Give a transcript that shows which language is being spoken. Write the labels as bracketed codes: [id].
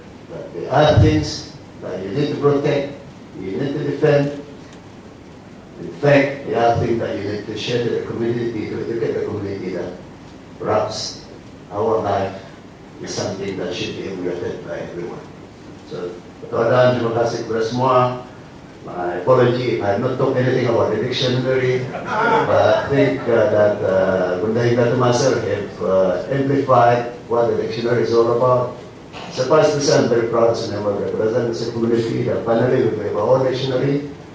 [en] But there are things that you need to protect, you need to defend. In fact, the other thing that you need to share to the community, to educate the community, that perhaps our life is something that should be emulated by everyone. [ms] So, Tuan-tuan, terima kasih kepada semua. [en] My apology if I have not talked anything about the dictionary, but I think that Bunda Hinda Tumasar have amplified what the dictionary is all about. Suffice to say, I'm very proud to have represented the community that finally we have our own dictionary.